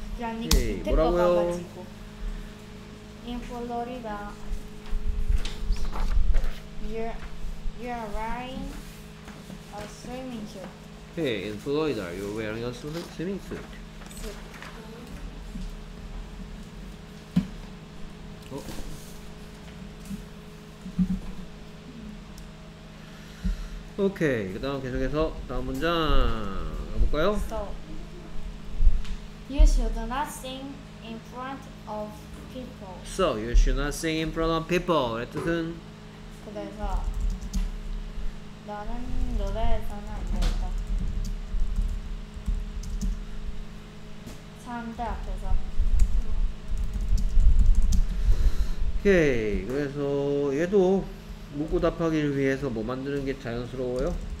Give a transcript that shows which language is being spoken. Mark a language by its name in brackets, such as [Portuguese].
[Korean] 야니 밑에 거 봐가지고 [English] In Florida you're wearing a swimming suit. Okay. [Korean] 그 다음 계속해서 다음 문장 가볼까요? [English] So, you should not sing in front of people. So, you should not sing in front of people. [Korean] 이 뜻은? 그래서 나는 노래에서는 안 된다. 사람들 앞에서. [English] Okay. [Korean] 그래서 얘도 묻고 답하기를 위해서 뭐 만드는 게 자연스러워요?